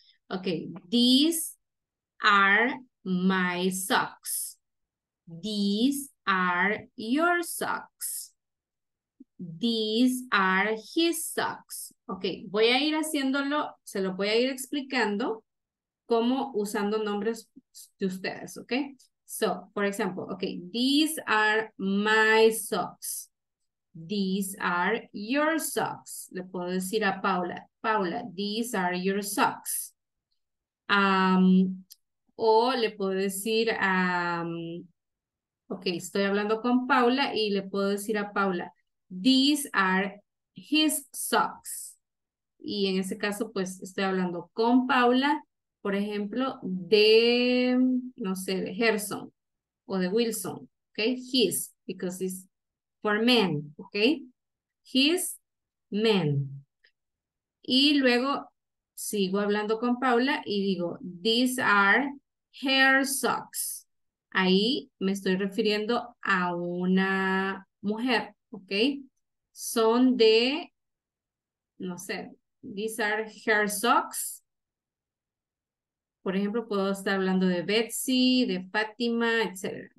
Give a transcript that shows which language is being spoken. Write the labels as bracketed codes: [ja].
[en] Ok, these are my socks. These are your socks. These are his socks. [es] Ok, voy a ir haciéndolo, se lo voy a ir explicando como usando nombres de ustedes, ok? [en] So, for example, ok, these are my socks. These are your socks. [es] Le puedo decir a Paula, Paula, [en] these are your socks. [es] O le puedo decir a, ok, estoy hablando con Paula y le puedo decir a Paula, [en] these are his socks. [es] Y en ese caso, pues, estoy hablando con Paula, por ejemplo, de, no sé, de Gerson o de Wilson, ok, his, [en] because it's for men, [es] ok, his men. Y luego sigo hablando con Paula y digo, [en] these are her socks. [es] Ahí me estoy refiriendo a una mujer, ¿ok? Son de, no sé, [en] these are her socks. [es] Por ejemplo, puedo estar hablando de Betsy, de Fátima, etc.